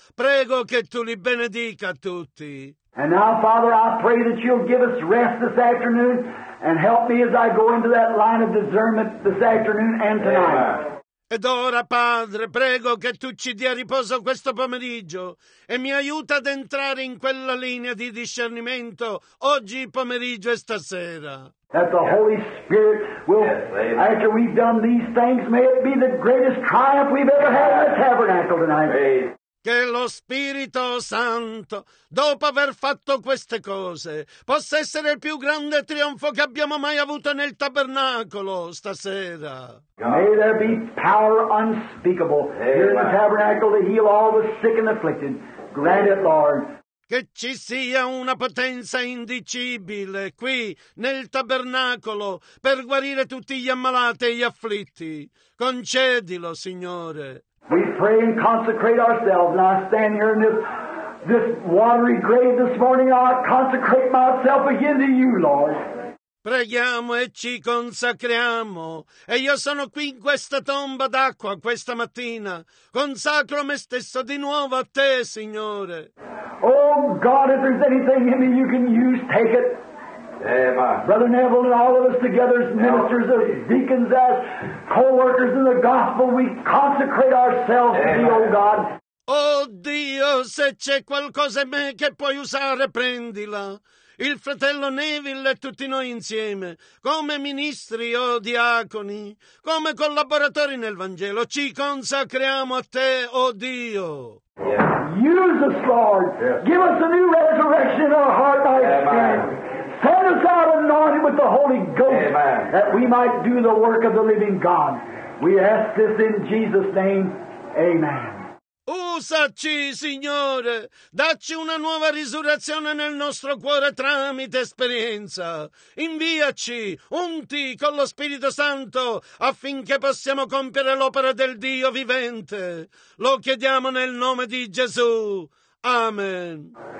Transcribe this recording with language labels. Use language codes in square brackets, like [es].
[it] Prego che tu li benedica tutti. [en] And now, Father, I pray that you'll give us rest this afternoon and help me as I go into that line of discernment this afternoon and tonight. Amen. [it] Ed ora, Padre, prego che tu ci dia riposo questo pomeriggio e mi aiuta ad entrare in quella linea di discernimento oggi pomeriggio e stasera. [en] That the Holy Spirit will, yes, after we've done these things, may it be the greatest triumph we've ever had in the tabernacle tonight. Amen. [it] Che lo Spirito Santo, dopo aver fatto queste cose, possa essere il più grande trionfo che abbiamo mai avuto nel tabernacolo stasera. [en] May there be power unspeakable here in the tabernacle to heal all the sick and afflicted. Grant it, Lord. [it] Che ci sia una potenza indicibile qui nel tabernacolo per guarire tutti gli ammalati e gli afflitti. Concedilo, Signore. [en] We pray and consecrate ourselves. And I stand here in this watery grave this morning. I consecrate myself again to you, Lord. [it] Preghiamo e ci consacriamo. E io sono qui in questa tomba d'acqua questa mattina. Consacro me stesso di nuovo a te, Signore. [en] Oh, God, if there's anything in me you can use, take it. Amen. Brother Neville and all of us together as ministers, as deacons, as co-workers in the gospel, we consecrate ourselves to thee, O God. [it] Oh Dio, se c'è qualcosa in me che puoi usare, prendila. Il fratello Neville e tutti noi insieme, come ministri o diaconi, come collaboratori nel Vangelo, ci consacriamo a te, oh Dio. [en] Yeah. Use us, Lord. Yeah. Give us a new resurrection in our heart, I pray. Send us out anointed with the Holy Ghost, Amen. That we might do the work of the living God. We ask this in Jesus' name. Amen. [it] Usaci, Signore, dacci una nuova risurrezione nel nostro cuore tramite esperienza. Inviaci, unti con lo Spirito Santo affinché possiamo compiere l'opera del Dio vivente. Lo chiediamo nel nome di Gesù. Amen.